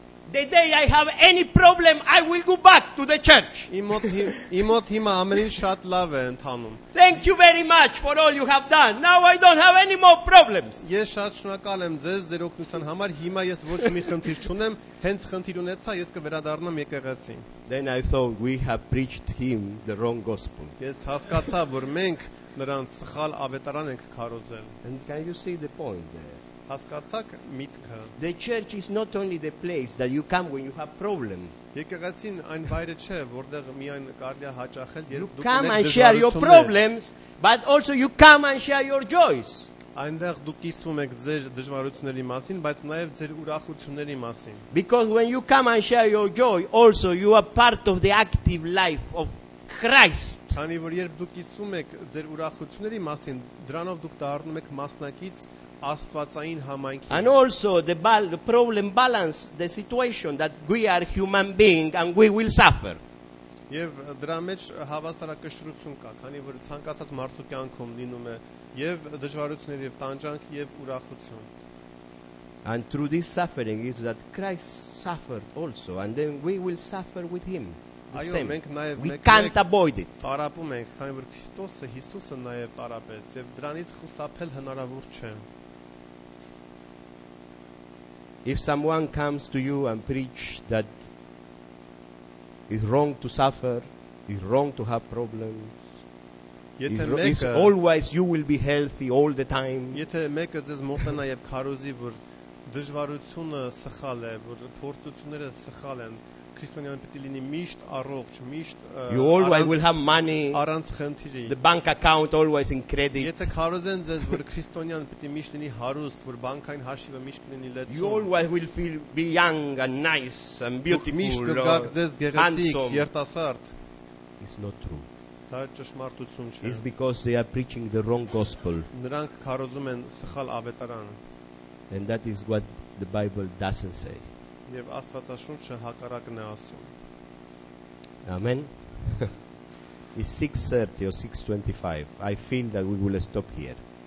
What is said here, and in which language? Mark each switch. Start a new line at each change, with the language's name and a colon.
English: The day I have any problem, I will go back to the church.
Armenian: Իմոթ հիմա ամենից շատ լավ է ընթանում.
English: Thank you very much for all you have done. Now I don't have any more problems.
Armenian: Ես շատ շնորհակալ եմ ձեզ ձեր օգնության համար. Հիմա ես ոչ մի խնդիր չունեմ. Հենց խնդիր ունեցա, ես կվերադառնամ եկեղեցին.
English: Then I thought we have preached him the wrong gospel.
Armenian: Ես հասկացա, որ մենք նրանց սխալ ավետարան ենք քարոզել.
English: And can you see the point there?
Armenian: Հասկացա՞ք միտքը.
English: The church is not only the place that you come when you have problems.
Armenian: Եկեղեցին այն վայրը չէ, որտեղ միայն կարելի է հաճախել, երբ դու ունես
English: You come and share your problems, but also you come and share your joys.
Armenian: Այնտեղ դու կիսվում ես ձեր դժվարությունների մասին, բայց նաև ձեր ուրախությունների մասին.
English: Because when you come and share your joy, also you are part of the active life of Christ.
Armenian: Քանի որ երբ դուք իսում եք ձեր ուրախությունների մասին, դրանով դուք դառնում եք մասնակից Աստվածային համայնքի։
English: And also the problem balance the situation that we are human being and we will suffer.
Armenian: Եվ դրա մեջ հավասարակշռություն կա, քանի որ ցանկացած մարդու կյանքում լինում է եւ դժվարություններ եւ տանջանք եւ ուրախություն։
English: And through this suffering is that Christ suffered also and then we will suffer with him.
Armenian: Այո, մենք նաև մենք
English: can't avoid it.
Armenian: Տարապում ենք, քանի որ Քրիստոսը, Հիսուսը նաև տարապեց եւ դրանից խուսափել հնարավոր չէ։
English: If someone comes to you and preach that it's wrong to suffer, it's wrong to have problems.
Armenian: Եթե մեկը
English: is always you will be healthy all the time.
Armenian: Եթե մեկը ձեզ մոտենա եւ քարոզի, որ դժվարությունը սխալ է, որ փորձությունները սխալ են, Քրիստոնյան պիտի լինի միշտ առողջ, միշտ
English: You always will have money.
Armenian: Առանց խնդիրի.
English: The bank account always in credit.
Armenian: Եթե քարոզեն ձեզ, որ Քրիստոնյան պիտի միշտ լինի հարուստ, որ բանկային հաշիվը միշտ լինի լեցուն.
English: You always will feel be young and nice and beautiful.
Armenian: Միշտ կգաք ձեզ գեղեցիկ, երիտասարդ.
English: It's not true.
Armenian: Դա ճշմարտություն չէ.
English: It's because they are preaching the wrong gospel.
Armenian: Նրանք քարոզում են սխալ ավետարան.
English: And that is what the Bible doesn't say.
Armenian: Եվ Աստվածաշունչը հակառակն է ասում.
English: Amen. It's 6:30 or 6:25. I feel that we will stop here.